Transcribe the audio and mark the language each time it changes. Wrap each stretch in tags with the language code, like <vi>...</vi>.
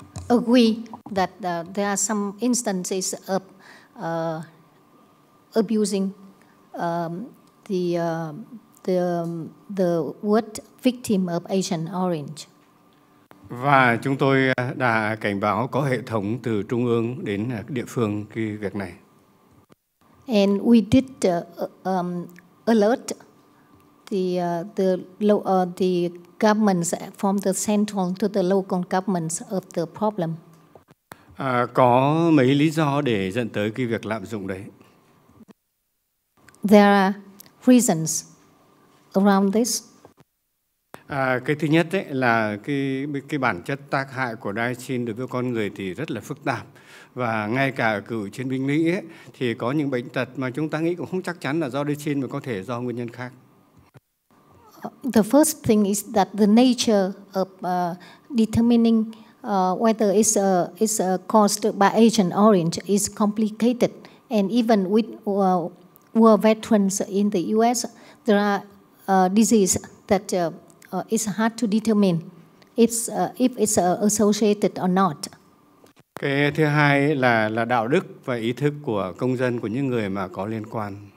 <en>I agree that there are some instances of abusing the word victim of Asian Orange.</en> <vi>Và chúng tôi đã cảnh báo có hệ thống từ trung ương đến địa phương cái việc này.</vi> <en>And we did alert the governments from the central to the local governments of the problem.</en> <vi>Có mấy lý do để dẫn tới cái việc lạm dụng đấy.</vi> <en>There are reasons around this.</en> <vi>Cái thứ nhất ấy, là cái bản chất tác hại của dioxin đối với con người thì rất là phức tạp. Và ngay cả ở cựu chiến binh Mỹ ấy, thì có những bệnh tật mà chúng ta nghĩ cũng không chắc chắn là do dioxin mà có thể do nguyên nhân khác.</vi> <en>The first thing is that the nature of determining whether it's caused by Agent Orange is complicated. And even with war veterans in the U.S., there are diseases that it's hard to determine if it's associated or not.</en> <vi>Cái thứ hai là đạo đức và ý thức của công dân, của những người mà có liên quan.</vi>